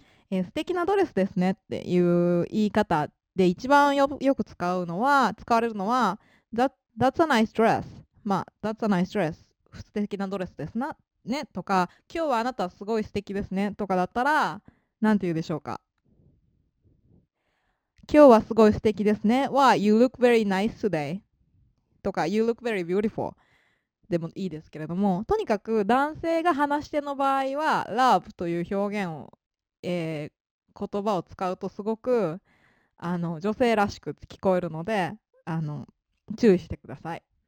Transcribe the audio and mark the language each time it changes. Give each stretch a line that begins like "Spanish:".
Japanese: 素敵なドレスですねっていう言い方で一番よく使われるのは、
English: That's a nice dress. That's a nice dress.
Japanese: 素敵なドレスですな。ね。とか、今日はあなたすごい素敵ですね。とかだったら、なんて言うでしょうか。今日はすごい素敵ですね。
English: は、You look very nice today. とか、You look very beautiful.
Japanese: でもいいですけれども、とにかく男性が話し手の場合は、Love という表現を、言葉を使うとすごく、女性らしく聞こえるので、注意してください。